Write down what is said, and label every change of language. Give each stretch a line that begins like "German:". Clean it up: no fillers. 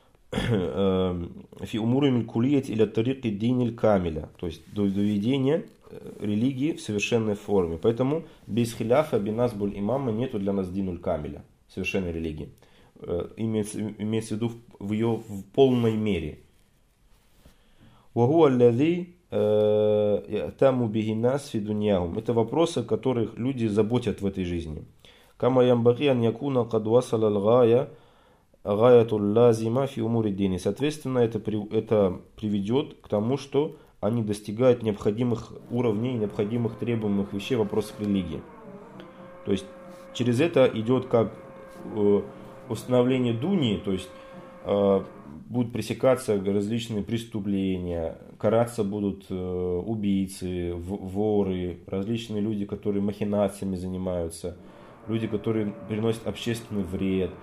Arabic: Фи умур-уль-кулиет или тариқи диниль камиля.
Russian: То есть до доведения религии в совершенной форме. Поэтому без хиляфа, без насбуль-имама нету для нас динуль камиля, совершенной религии. Имеется в виду в ее в полной мере.
Arabic: وهو الذي يهتم به الناس في دنياهم.
Russian: Это вопросы, о которых люди заботят в этой жизни.
Arabic: كما ينبغي أن يكون قد وصل الغاية غاية اللازمة في أمور الدين.
Russian: Соответственно, это приведет к тому, что они достигают необходимых уровней, необходимых требуемых вещей в вопросах религии. То есть через это идет как установление дуни, то есть будут пресекаться различные преступления, караться будут убийцы, воры, различные люди, которые махинациями занимаются, люди, которые приносят общественный вред.